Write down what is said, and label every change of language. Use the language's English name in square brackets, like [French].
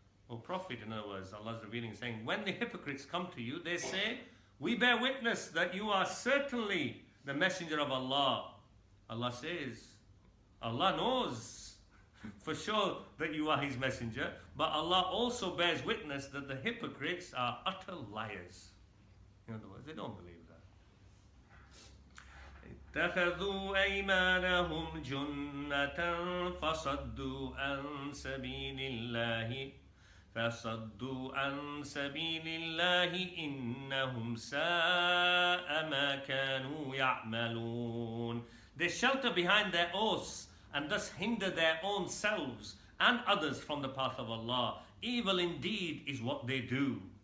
[English] Oh, Prophet, in other words, Allah's revealing, saying, when the hypocrites come to you, they say, we bear witness that you are certainly the messenger of Allah. Allah says, Allah knows for sure that you are his messenger, but Allah also bears witness that the hypocrites are utter liars. In other words, they don't believe that. [Arabic] اتخذوا أيمانهم جنة فصدوا عن سبيل الله فصدوا عن سبيل الله إنهم ساء ما كانوا يعملون. [English] They shelter behind their oaths and thus hinder their own selves and others from the path of Allah. Evil indeed is what they do.